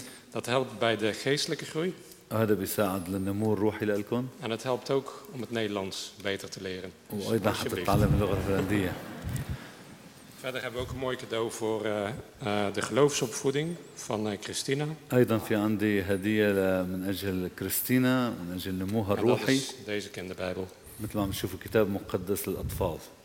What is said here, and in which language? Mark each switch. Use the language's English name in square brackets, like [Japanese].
[Dutch] Dat helpt bij de geestelijke groei. [Arabic] هذا بيساعد للنمو الروحي لكم. [Dutch] En het helpt ook om het Nederlands beter te leren. [Arabic] وأيضا حتى تتعلم اللغة الهولندية. [Dutch] Verder hebben we ook een mooi cadeau voor de geloofsopvoeding van Christina. [Arabic] أيضا في عندي هدية من أجل كريستينا من أجل نموها الروحي. [Dutch] Deze kinderbijbel. [Arabic] مثل ما عم نشوف الكتاب المقدس للأطفال.